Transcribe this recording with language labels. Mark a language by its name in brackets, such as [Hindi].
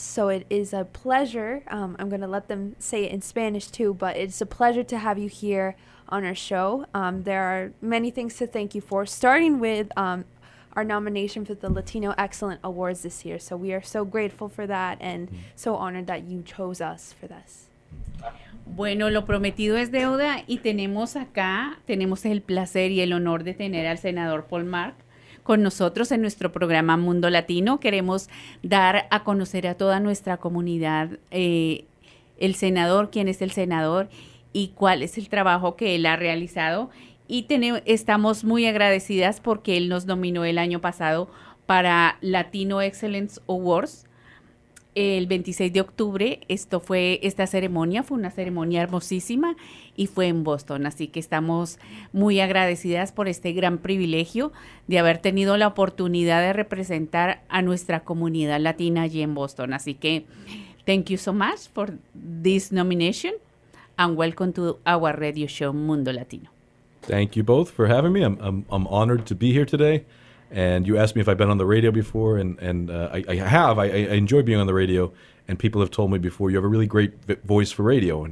[English] So it is a pleasure. I'm going to let them say it in Spanish, too, but it's a pleasure to have you here on our show. There are many things to thank you for, starting with our nomination for the Latino Excellent Awards this year. So we are so grateful for that and so honored that you chose us for this. [Spanish] Bueno, lo prometido es deuda y tenemos acá, tenemos el placer y el honor de tener al senador Paul Mark con nosotros en nuestro programa Mundo Latino. Queremos dar a conocer a toda nuestra comunidad el senador, quién es el senador y cuál es el trabajo que él ha realizado. Y estamos muy agradecidas porque él nos nominó el año pasado para Latino Excellence Awards. El 26 de octubre, esta ceremonia fue una ceremonia hermosísima y fue en Boston. Así que estamos muy agradecidas por este gran privilegio de haber tenido la oportunidad de representar a nuestra comunidad latina allí en Boston. Así que, [English] thank you so much for this nomination and welcome to our radio show, Mundo Latino. Thank you both for having me. I'm honored to be here today. And you asked me if I've been on the radio before, and I have. I enjoy being on the radio, and people have told me before, you have a really great voice for radio.